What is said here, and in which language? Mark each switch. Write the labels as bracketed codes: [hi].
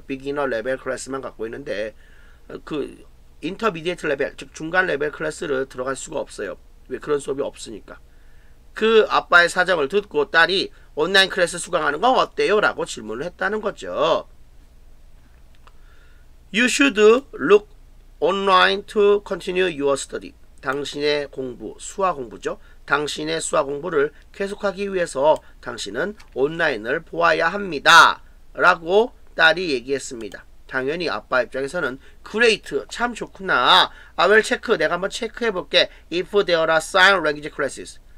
[ko] 비기너 레벨 클래스만 갖고 있는데 그 인터미디에이트 레벨, 즉 중간 레벨 클래스를 들어갈 수가 없어요. 왜? 그런 수업이 없으니까. 그 아빠의 사정을 듣고 딸이 온라인 클래스 수강하는 건 어때요? 라고 질문을 했다는 거죠. [en] You should look online to continue your study. [ko] 당신의 공부, 수화 공부죠. 당신의 수화 공부를 계속하기 위해서 당신은 온라인을 보아야 합니다. 라고 딸이 얘기했습니다. 당연히 아빠 입장에서는 great, 참 좋구나. [en] I will check, [ko] 내가 한번 체크해볼게. [en] If there are sign language classes.